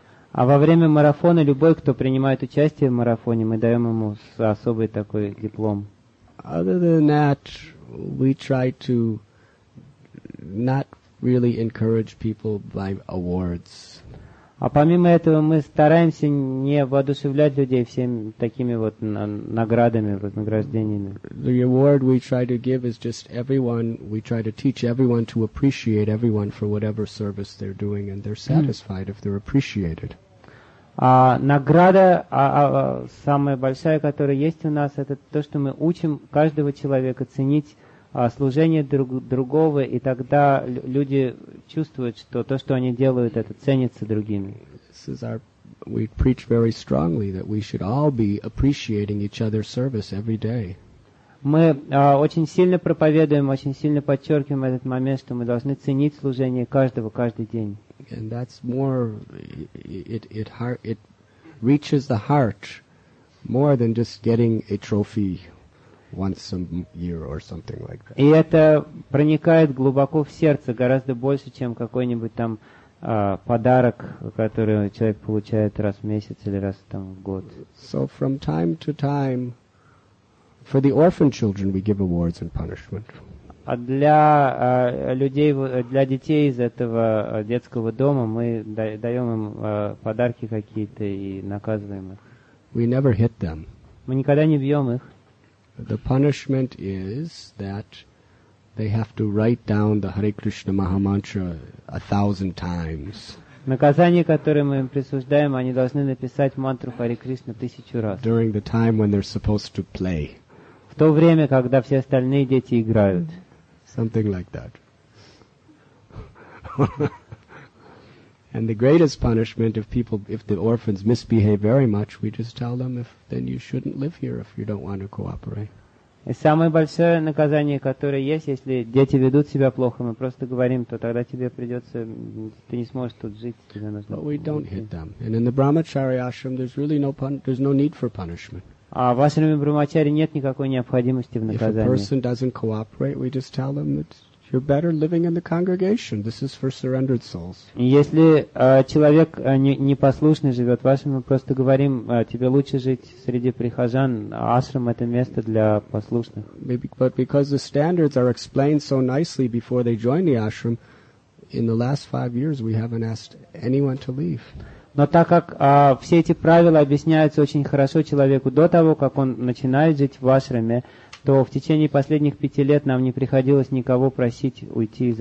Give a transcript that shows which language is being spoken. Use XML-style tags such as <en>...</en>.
<ru>А во время марафона любой, кто принимает участие в марафоне, мы даем ему особый такой диплом.</ru> <en>Other than that, we try to not really encourage people by awards.</en> <ru>А помимо этого мы стараемся не воодушевлять людей всеми такими вот наградами, вознаграждениями.</ru> <en>The award we try to give is just everyone, we try to teach everyone to appreciate everyone for whatever service they're doing and they're satisfied if they're appreciated.</en> <ru>Награда самая большая, которая есть у нас, это то, что мы учим каждого человека ценить служение другого, и тогда люди чувствуют, что то, что они делают, это ценится другими.</ru> <en>We preach very strongly that we should all be appreciating each other's service every day.</en> <ru>Мы очень сильно проповедуем, очень сильно подчеркиваем этот момент, что мы должны ценить служение каждого каждый день.</ru> <en>And that's more, it reaches the heart more than just getting a trophy. Once a year or something like that.</en> <ru>И это проникает глубоко в сердце, гораздо больше, чем какой-нибудь там подарок, который человек получает раз в месяц или раз там в год.</ru> <en>So from time to time, for the orphan children, we give awards and punishment.</en> <ru>А для людей, для детей из этого детского дома, мы даем им подарки какие-то и наказываем их.</ru> <en>We never hit them.</en> <ru>Мы никогда не бьем их.</ru> <en>The punishment is that they have to write down the Hare Krishna Mahamantra 1,000 times.</en> <ru>Наказание, которое мы им присуждаем, они должны написать мантру Харе Кришна 1,000 раз.</ru> <en>During the time when they're supposed to play.</en> <ru>В то время, когда все остальные дети играют.</ru> <en>Something like that. And the greatest punishment if the orphans misbehave very much, we just tell them then you shouldn't live here if you don't want to cooperate.</en> <ru>И самое большое наказание, которое есть, если дети ведут себя плохо, мы просто говорим, то тогда тебе придется, ты не сможешь тут жить, тебе нужно.</ru> <en>But we don't hit them. And in the Brahmachari ashram, there's no need for punishment.</en> <ru>А в ашраме Брахмачари нет никакой необходимости в наказании.</ru> <en>If a person doesn't cooperate, we just tell them that. You're better living in the congregation. This is for surrendered souls.</en> <ru>Если человек непослушный живет в ашраме, мы просто говорим, тебе лучше жить среди прихожан. Ашрам — это место для послушных.</ru> <en>But because the standards are explained so nicely before they join the ashram, in the last 5 years we haven't asked anyone to leave.</en> <ru>Но так как все эти правила объясняются очень хорошо человеку до того, как он начинает жить в ашраме, то в течение последних 5 лет нам не приходилось никого просить уйти из</ru>